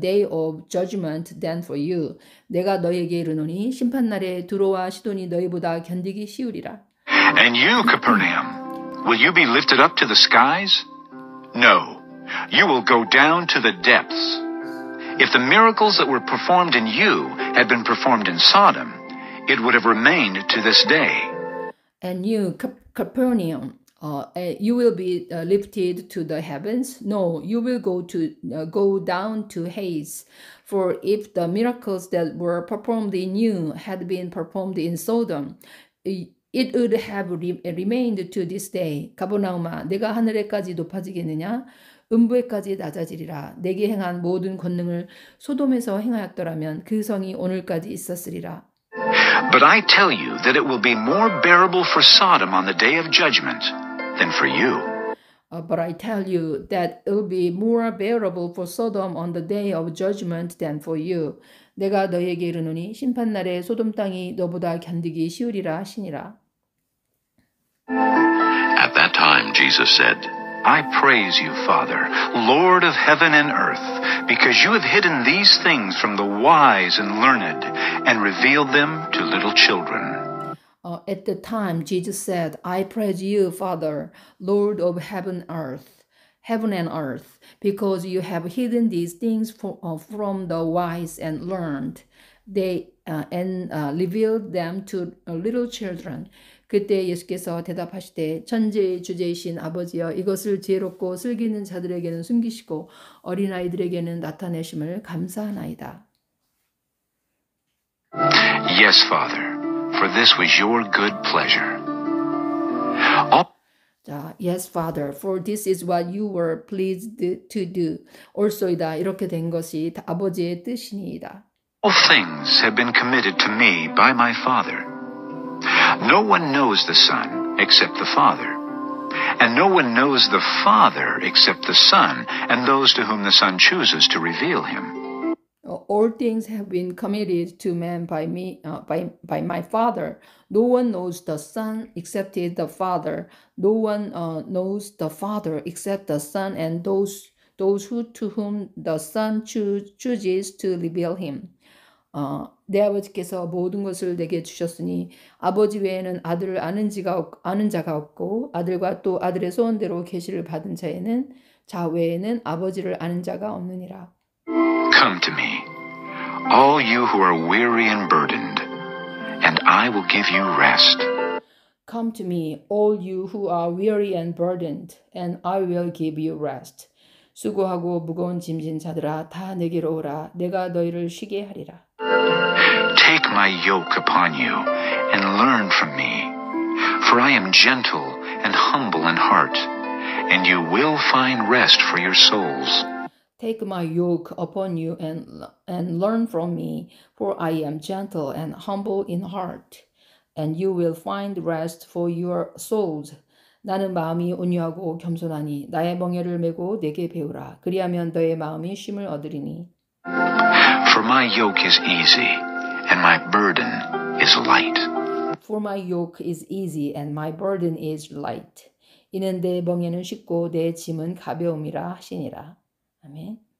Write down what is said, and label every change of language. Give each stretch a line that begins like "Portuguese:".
English: But I tell you, it will be more bearable for Tyre and Sidon on the day of judgment than for you.
Korean: 내가 너에게 이르노니 심판날에 두로와 시돈이 너희보다 견디기 쉬우리라.
English: And you, Capernaum, Will you be lifted up to the skies? No, you will go down to the depths. If the miracles that were performed in you had been performed in Sodom, it would have remained to this day. And you, Capernaum, you will be lifted to the heavens? No, you will go down to Hades. For if the miracles that were performed in you had been performed in Sodom, it would have remained to this day.
Korean: 가버나움아, 내가 하늘에까지 높아지겠느냐? 음부에까지 낮아지리라. 내게 행한 모든 권능을 소돔에서 행하였더라면 그 성이 오늘까지 있었으리라.
English: But I tell you that it will be more bearable for Sodom on the day of judgment than for you. But I tell you that it will be more bearable for Sodom on the day of judgment than for you.
Korean: 내가 너에게 이르노니 심판날에 소돔 땅이 너보다 견디기 쉬우리라 하시니라.
English: At that time Jesus said, I praise you, Father, Lord of heaven and earth, because you have hidden these things from the wise and learned and revealed them to little children. At the time, Jesus said, I praise you, Father, Lord of heaven and earth, because you have hidden these things from the wise and learned revealed them to little children.
Korean: 그때 예수께서 대답하시되 천지의 주재이신 아버지여 이것을 지혜롭고 슬기 있는 자들에게는 숨기시고 어린아이들에게는 나타내심을 감사하나이다.
English: Yes, Father, for this was your good pleasure. Yes, Father, for this is what you were pleased to do.
Korean: 옳소이다, 이렇게 된 것이 아버지의 뜻이니이다.
English: All things have been committed to me by my Father. No one knows the Son except the Father, and no one knows the Father except the Son and those to whom the Son chooses to reveal him. All things have been committed to man by me, by my Father. No one knows the Son except the Father. No one knows the Father except the Son and those to whom the Son chooses to reveal him.
Korean: 내 아버지께서 모든 것을 내게 주셨으니 아버지 외에는 아들을 아는 자가 없고 아들과 또 아들의 소원대로 계시를 받은 자 외에는 아버지를 아는 자가 없느니라.
English: Come to me, all you who are weary and burdened, and I will give you rest. Come to me, all you who are weary and burdened, and I will give you rest.
Korean: 수고하고 무거운 짐진 자들아, 다 내게로 오라. 내가 너희를 쉬게 하리라.
English: Take my yoke upon you and learn from me, for I am gentle and humble in heart, and you will find rest for your souls. Take my yoke upon you and learn from me, for I am gentle and humble in heart, and you will find rest for your souls.
Korean: 나는 마음이 온유하고 겸손하니 나의 멍에를 메고 내게 배우라. 그리하면 너의 마음이 쉼을 얻으리니.
English: For my yoke is easy, and my burden is light. For my yoke is easy, and my burden is light.
Korean: 이는 내 멍에는 쉽고 내 짐은 가벼움이라 하시니라. 아멘.